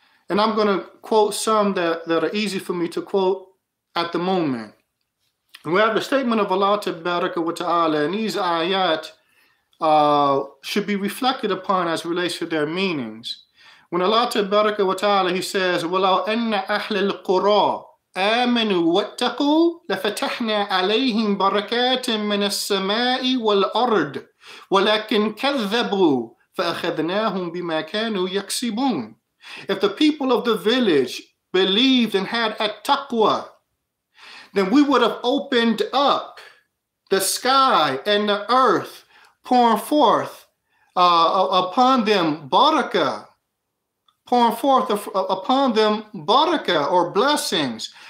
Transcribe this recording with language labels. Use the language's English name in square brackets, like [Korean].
[English] And I'm going to quote some that are easy for me to quote at the moment. We have the statement of Allah Tabaraka wa Ta'ala, and these ayat should be reflected upon as relates to their meanings. When Allah Tabaraka wa Ta'ala, he says, [Arabic] وَلَوْ أَنَّ أَحْلَ الْقُرَىٰ آمنوا واتقوا لفتحنا عليهم بركات من السماء والأرض ولكن كذبوا فأخذناهم بما كانوا يكسبون. [English] If the people of the village believed and had a taqwa, then we would have opened up the sky and the earth, pouring forth upon them barakah, pouring forth upon them barakah or blessings.